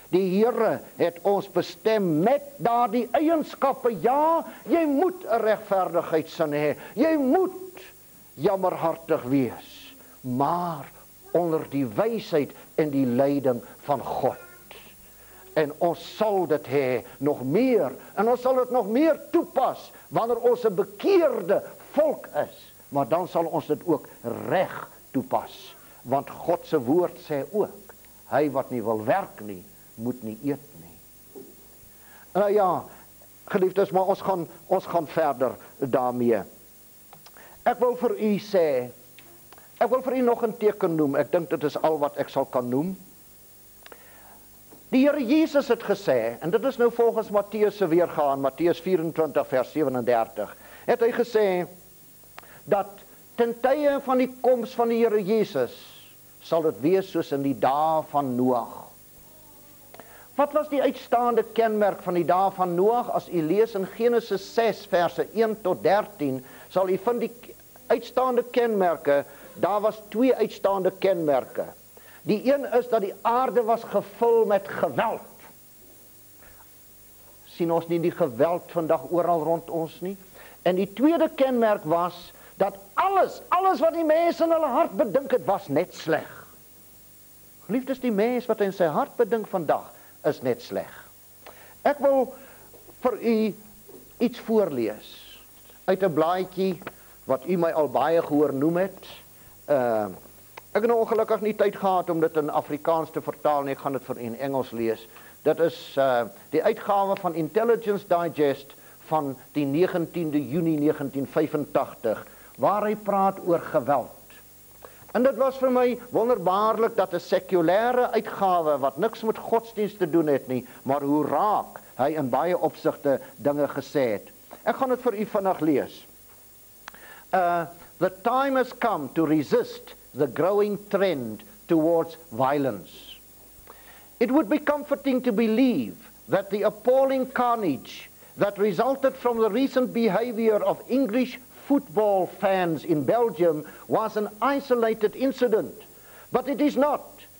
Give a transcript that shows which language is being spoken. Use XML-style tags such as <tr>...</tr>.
<af>Die Here het ons bestem met daardie eienskappe. Ja, jy moet 'n regverdigheidsin hê. Jy moet jammerhartig wees, maar onder die wysheid en die leiding van God. En ons sal dit hê nog meer, en ons sal dit nog meer toepas wanneer ons 'n bekeerde volk is, maar dan sal ons dit ook reg toepas, want God se woord sê ook, hy wat nie wil werk nie, moet nie eet nie. Nou ja, geliefdes, maar ons gaan verder daarmee. Ek wil vir u nog 'n teken noem. Ek dink dit is al wat ek sal kan noem. Die Here Jesus het gesê, en dit is nou volgens Matteus se weergaan, Matteus 24 vers 37, het hy gesê, dat ten tye van die koms van die Here Jesus, sal dit wees soos in die dae van Noag. Wat was die uitstaande kenmerk van die dae van Noag? As u lees in Genesis 6 verse 1 tot 13, sal u vind die uitstaande kenmerke daar was twee uitstaande kenmerken. Die een is dat die aarde was gevuld met geweld. Sien ons nie die geweld vandag ooral rond ons nie? En die tweede kenmerk was, dat alles wat die mens in hulle hart bedink het, was net sleg. Geliefdes, die mens wat in sy hart bedink vandag, is net sleg. Ek wil vir u iets voorlees, uit een blaadjie, wat u my al baie gehoor noem het. Ek het nou ongelukkig nie tyd gehad om dit in Afrikaans te vertaal, nie, ek gaan dit vir u in Engels lees. Dit is die uitgawe van Intelligence Digest van die 19de juni 1985, waar hy praat oor geweld. En dit was vir my wonderbaarlik dat 'n sekulêre uitgawe wat niks met godsdienst te doen het nie, maar hoe raak hy in baie opsigte dinge gesê het. Ek gaan dit vir u vandag lees.</af> <en>The time has come to resist the growing trend towards violence. It would be comforting to believe that the appalling carnage that resulted from the recent behavior of English football fans in Belgium was an isolated incident, but it is not.</en>